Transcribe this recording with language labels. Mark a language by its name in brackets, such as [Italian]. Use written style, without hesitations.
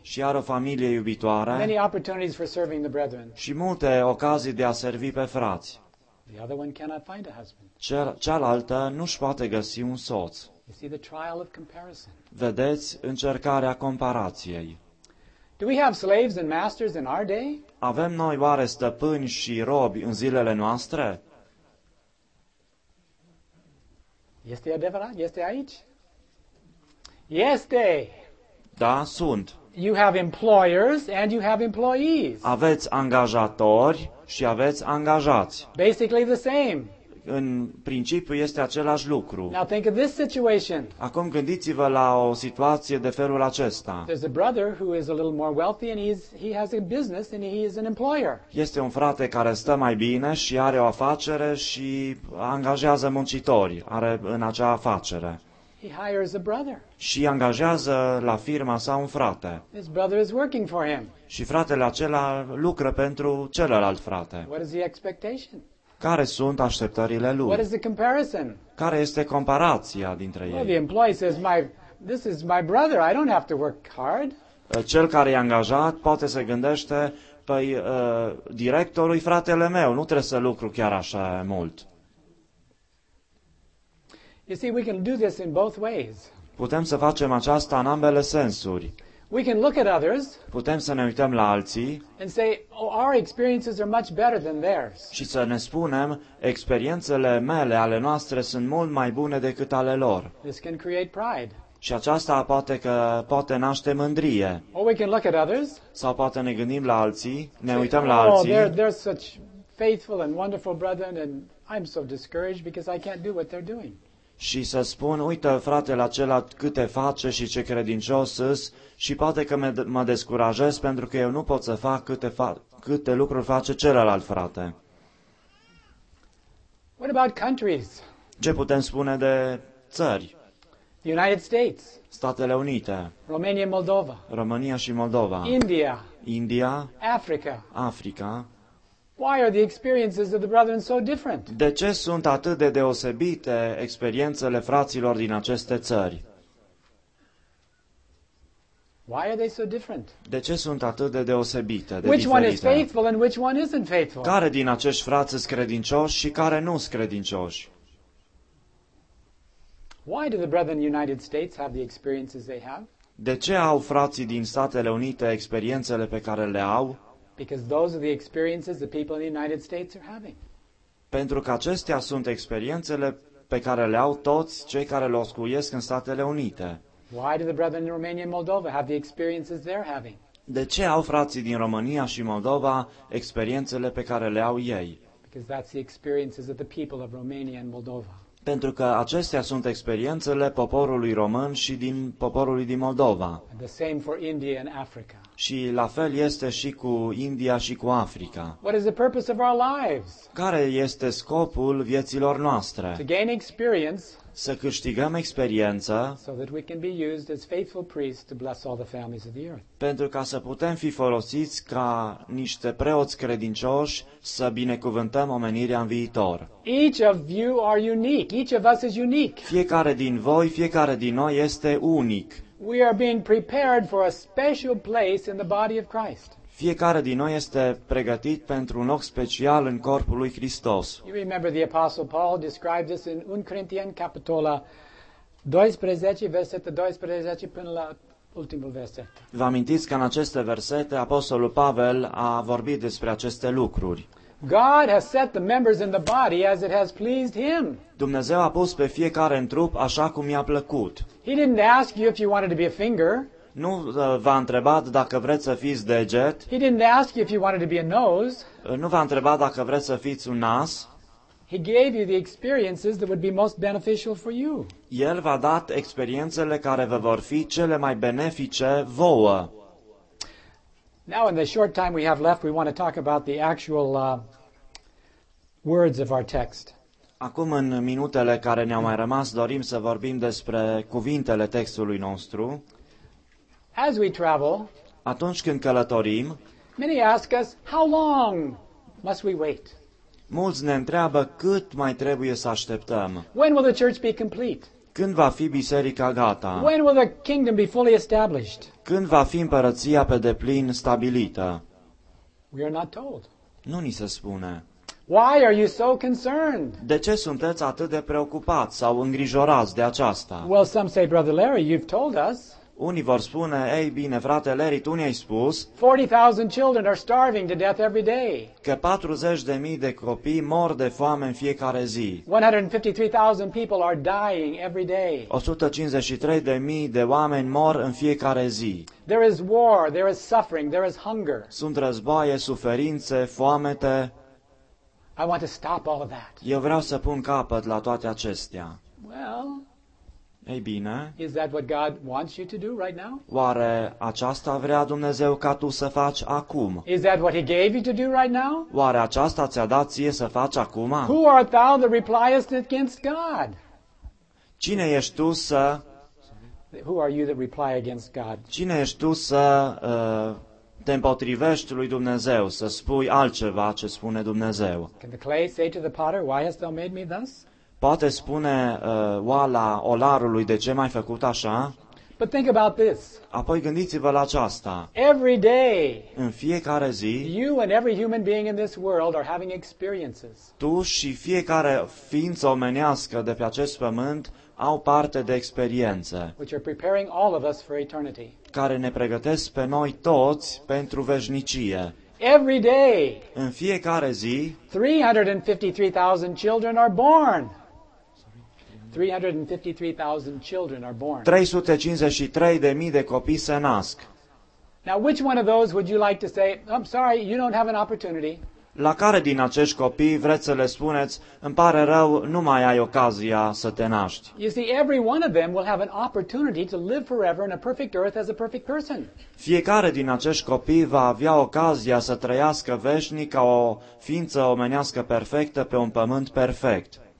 [Romanian] Și are o familie iubitoare. [English] Many opportunities for serving the brethren. [Romanian] Și multe ocazii de a servi pe frați. [English] The other one cannot find a husband. [Romanian] Cealaltă nu își poate găsi un soț. [English] You see the trial of comparison. [Romanian] Vedeți încercarea comparației. [English] Do we have slaves and masters in our day? [Romanian] Avem noi oare stăpâni și robi în zilele noastre? Este adevărat? Este aici? Este! Da, sunt. [English] You have employers and you have employees. [Romanian] Aveți angajatori și aveți angajați. [English] Basically the same. [Romanian] În principiu este același lucru. [English] Now think of this situation. [Romanian] Acum gândiți-vă la o situație de felul acesta. [English] There's a brother who is a little more wealthy and he has a business and he is an employer. [Romanian] Este un frate care stă mai bine și are o afacere și angajează muncitori, are în acea afacere. [English] He hires a brother. [Romanian] Și angajează la firma sa un frate. [English] His brother is working for him. [Romanian] Și fratele acela lucră pentru celălalt frate. [English] What is the expectation? [Romanian] Care sunt așteptările lui? [English] What is the comparison? [Romanian] Care este comparația dintre ei? [English] Well, the employee says, this is my brother. I don't have to work hard. [Romanian] Cel care e angajat poate se gândește, directorul e fratele meu, nu trebuie să lucru chiar așa mult. [English] You see, we can do this in both ways. [Romanian] Putem să facem aceasta în ambele sensuri. [English] We can look at others. [Romanian] Putem să ne uităm la alții. [English] And say, our experiences are much better than theirs. [Romanian] Și să ne spunem, experiențele mele, ale noastre sunt mult mai bune decât ale lor. [English] This can create pride. [Romanian] Și aceasta poate naște mândrie. [English] Or we can look at others. [Romanian] Sau poate ne gândim la alții, ne uităm la alții. [English] Oh, they're such faithful and wonderful brethren and I'm so discouraged because I can't do what they're doing. [Romanian] Și să spun, uite, fratele acela cât te face și ce credincios îs, și poate că mă descurajez pentru că eu nu pot să fac câte lucruri face celălalt frate. [English] What about countries? [Romanian] Ce putem spune de țări? [English] The United States. [Romanian] Statele Unite. [English] Romania, Moldova. [Romanian] România și Moldova. [English] India. [Romanian] India. [English] Africa. [Romanian] Africa. [English] Why are the experiences of the brethren so different? [Romanian] De ce sunt atât de deosebite experiențele fraților din aceste țări? [English] Why are they so different? [Romanian] De ce sunt atât de deosebite, de [English] which [Romanian] diferite? [English] One is faithful and which one isn't faithful? [Romanian] Care din acești frați sunt credincioși și care nu sunt credincioși? [English] Why do the brethren in the United States have the experiences they have? [Romanian] De ce au frații din Statele Unite experiențele pe care le au? [English] Because those are the experiences the people in the United States are having. [Romanian] Pentru că acestea sunt experiențele pe care le au toți cei care locuiesc în Statele Unite. [English] Why do the brethren in Romania and Moldova have the experiences they're having? [Romanian] De ce au frații din România și Moldova experiențele pe care le au ei? [English] Because that's the experiences of the people of Romania and Moldova. [Romanian] Pentru că acestea sunt experiențele poporului român și din poporului din Moldova. [English] And the same for India and Africa. [Romanian] Și la fel este și cu India și cu Africa. [English] What is the purpose of our lives? [Romanian] Care este scopul vieților noastre? [English] To gain experience. [Romanian] Să câștigăm experiență. [English] So that we can be used as faithful priests to bless all the families of the earth. [Romanian] Pentru ca să putem fi folosiți ca niște preoți credincioși să binecuvântăm omenirea în viitor. [English] Each of you are unique. Each of us is unique. [Romanian] Fiecare din voi, fiecare din noi este unic. [English] We are being prepared for a special place in the body of Christ. [Romanian] Fiecare din noi este pregătit pentru un loc special în corpul lui Hristos. [English] You remember the Apostle Paul described this in 1 Corinthians [Romanian] capitolul 12, versetul 12 până la ultimul verset. Vă amintiți că în aceste versete Apostolul Pavel a vorbit despre aceste lucruri. [English] God has set the members in the body as it has pleased him. [Romanian] Dumnezeu a pus pe fiecare în trup așa cum i-a plăcut. [English] He didn't ask you if you wanted to be a finger. [Romanian] Nu v-a întrebat dacă vreți să fiți deget. [English] He didn't ask you if you wanted to be a nose. [Romanian] Nu v-a întrebat dacă vreți să fiți un nas. [English] He gave you the experiences that would be most beneficial for you. [Romanian] El v-a dat experiențele care vă vor fi cele mai benefice vouă. [English] Now in the short time we have left, we want to talk about the actual words of our text. [Romanian] Acum în minutele care ne-au mai rămas, dorim să vorbim despre cuvintele textului nostru. [English] As we travel, [Romanian] atunci când călătorim, [English] many ask us, how long must we wait? [Romanian] Mulți ne întreabă cât mai trebuie să așteptăm. [English] When will the church be complete? [Romanian] Când va fi biserica gata? [English] When will the kingdom be fully established? [Romanian] Când va fi împărăția pe deplin stabilită? [English] We are not told. [Romanian] Nu ni se spune. [English] Why are you so concerned? [Romanian] De ce sunteți atât de preocupați sau îngrijorați de aceasta? [English] Well, some say, Brother Larry, you've told us. [Romanian] Unii vor spune, ei bine, frate Larry, tu ne-ai spus [English] 40,000 children are starving to death every day. [Romanian] Că 40,000 de copii mor de foame în fiecare zi. [English] 153,000 people are dying every day. [Romanian] 153,000 de oameni mor în fiecare zi. [English] There is war, there is suffering, there is hunger. [Romanian] Sunt războaie, suferințe, foamete. [English] I want to stop all of that. [Romanian] Eu vreau să pun capăt la toate acestea. [English] Well, [Romanian] ei bine, [English] is that what God wants you to do right now? [Romanian] Oare aceasta vrea Dumnezeu ca tu să faci acum? [English] Is that what he gave you to do right now? [Romanian] Oare aceasta ți-a dat ție să faci acum? [English] Who art thou that repliest against God? [Romanian] Cine ești tu să... [English] Who are you that reply against God? [Romanian] Cine ești tu să te împotrivești lui Dumnezeu, să spui altceva ce spune Dumnezeu? [English] Can the clay say to the potter, why hast thou made me thus? [Romanian] Poate spune oala olarului, de ce m-ai făcut așa? [English] But think about this. [Romanian] Apoi gândiți-vă la aceasta. [English] Every day, [Romanian] în fiecare zi, [English] you and every human being in this world are having experiences. [Romanian] Tu și fiecare ființă omenească de pe acest pământ au parte de experiențe, [English] which are preparing all of us for eternity. [Romanian] Care ne pregătesc pe noi toți pentru veșnicie. [English] Every day, [Romanian] în fiecare zi, [English] 353,000 children are born. 353,000 children are born. [Romanian] 353,000 de copii se nasc. [English] Now, which one of those would you like to say, I'm sorry, you don't have an opportunity? [Romanian] La care din acești copii vreți să le spuneți, îmi pare rău, nu mai ai ocazia să te naști? [English] You see, every one of them will have an opportunity to live forever in a perfect earth as a perfect person. [Romanian] Fiecare din acești copii va avea ocazia să trăiască veșnic ca o ființă omenească perfectă pe un pământ perfect.